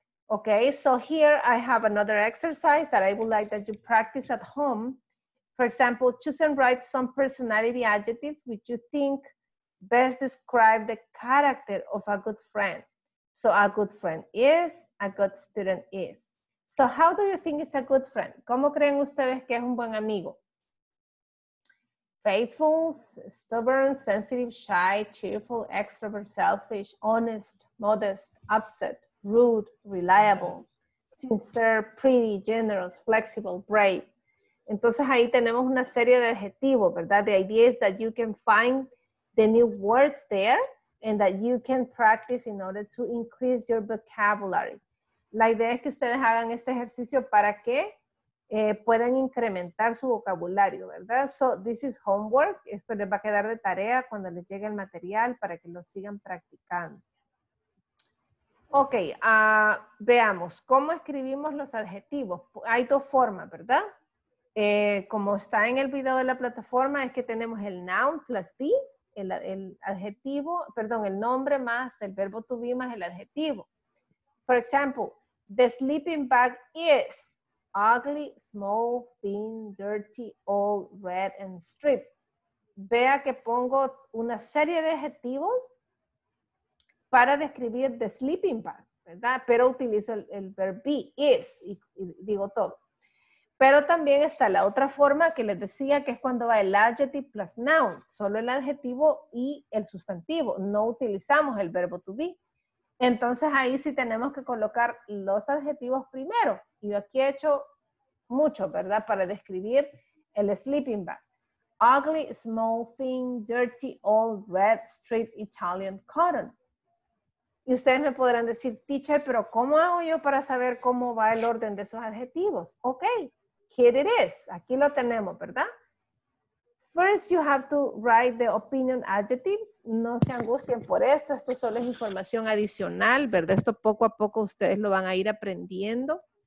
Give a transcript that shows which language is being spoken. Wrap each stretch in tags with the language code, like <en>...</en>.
<en>Okay, so here I have another exercise that I would like that you practice at home. For example, choose and write some personality adjectives which you think best describe the character of a good friend. So a good friend is, a good student is. So how do you think is a good friend?</en> <es>¿Cómo creen ustedes que es un buen amigo?</es> <en>Faithful, stubborn, sensitive, shy, cheerful, extrovert, selfish, honest, modest, upset, rude, reliable, sincere, pretty, generous, flexible, brave.</en> <es>Entonces ahí tenemos una serie de adjetivos, ¿verdad?</es> <en>The idea is that you can find the new words there and that you can practice in order to increase your vocabulary.</en> <es>La idea es que ustedes hagan este ejercicio para que puedan incrementar su vocabulario, ¿verdad?</es> <en>So, this is homework.</en> <es>Esto les va a quedar de tarea cuando les llegue el material para que lo sigan practicando. Ok, veamos, ¿cómo escribimos los adjetivos? Hay dos formas, ¿verdad? Como está en el video de la plataforma, es que tenemos el noun plus be, el adjetivo, perdón, el nombre más el verbo to be más el adjetivo.</es> <en>For example, the sleeping bag is ugly, small, thin, dirty, old, red, and stripped.</en> <es>Vea que pongo una serie de adjetivos para describir the sleeping bag, ¿verdad? Pero utilizo el verb be, is, y digo todo. Pero también está la otra forma que les decía, que es cuando va el adjective plus noun, solo el adjetivo y el sustantivo. No utilizamos el verbo to be. Entonces ahí sí tenemos que colocar los adjetivos primero. Y yo aquí he hecho mucho, ¿verdad? Para describir el sleeping bag.</es> <en>Ugly, small, thin, dirty, old, red, striped, Italian, cotton.</en> <es>Y ustedes me podrán decir, teacher, ¿pero cómo hago yo para saber cómo va el orden de esos adjetivos?</es> <en>Ok, here it is.</en> <es>Aquí lo tenemos, ¿verdad?</es> <en>First, you have to write the opinion adjectives.</en> <es>No se angustien por esto. Esto solo es información adicional, ¿verdad? Esto poco a poco ustedes lo van a ir aprendiendo.</es>